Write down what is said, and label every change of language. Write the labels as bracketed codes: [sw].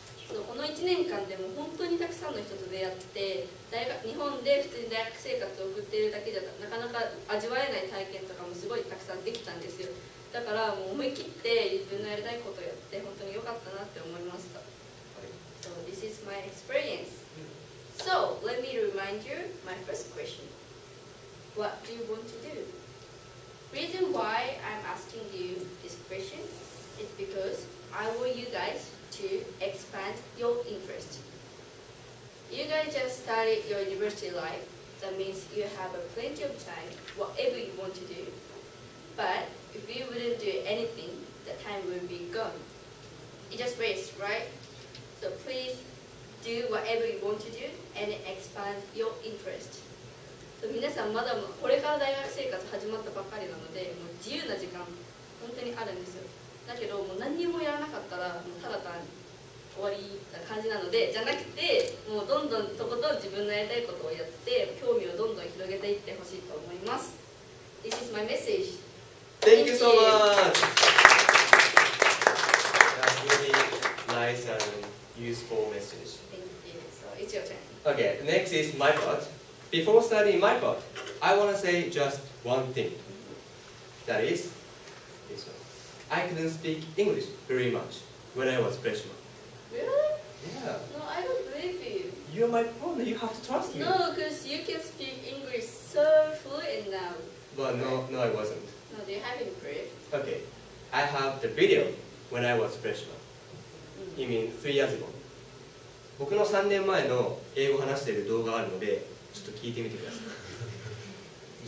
[ja] そう、この1年間でも本当にたくさんの人と出会って大学、日本で普通に大学生活を送っているだけじゃなかなか味わえない体験とかもすごいたくさんできたんですよ。だからもう思い切って自分のやりたいことをやって本当に良かったなって思いました。 [en] So this is my experience. So let me remind you my first question. What do you want to do? Reason why I'm asking you this question is because I want you guys to expand your interest. You guys just started your university life. That means you have a plenty of time, whatever you want to do. But if you wouldn't do anything, the time will be gone. It just wastes, right? So please do whatever you want to do and expand your interest. [ja] So 皆さんまだこれから大学生活始まったばかりなので、もう自由な時間本当にあるんですよ。だけどもう何にもやらなかったらもうただ単に終わりな感じなので、じゃなくてもうどんどんとことん自分のやりたいことをやって興味をどんどん広げていってほしいと思います。 [en] This is my message. Thank you so much. That's really nice and useful message. Thank you. So it's your turn. Okay, next is my part. Before studying my part, I want to say just one thing. That is this one. I couldn't speak English very much when I was freshman. Really? Yeah. No, I don't believe you. You're my partner, you have to trust me. No, because you can speak English so fluent now. But no, no, I wasn't. No, do you have any proof? Okay, I have the video when I was freshman. Mm-hmm. You mean 3 years ago. [ja] 僕の3年前の英語話している動画があるので、ちょっと聞いてみてください。